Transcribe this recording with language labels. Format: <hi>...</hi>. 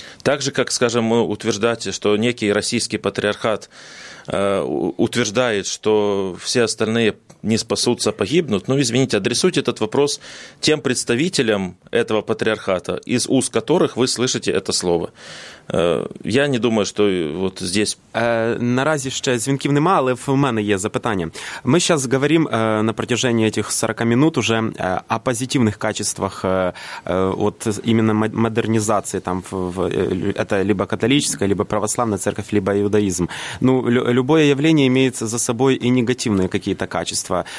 <ru>Так же, как, скажем, утверждать, что некий российский патриархат утверждает, что все остальные не спасутся, погибнут. Ну, извините, адресуйте этот вопрос тем представителям этого патриархата, из уст которых вы слышите это слово. Я не думаю, что вот здесь...</ru> <uk>Наразі ще дзвінків нема, але в мене є запитання. Ми зараз говоримо</uk> <ru>на протяжении этих 40 минут уже о позитивных качествах от именно модернизации там в это либо католическая, либо православная церковь, либо иудаизм. Ну, любое явление имеет за собой и негативные какие-то качества.</ru>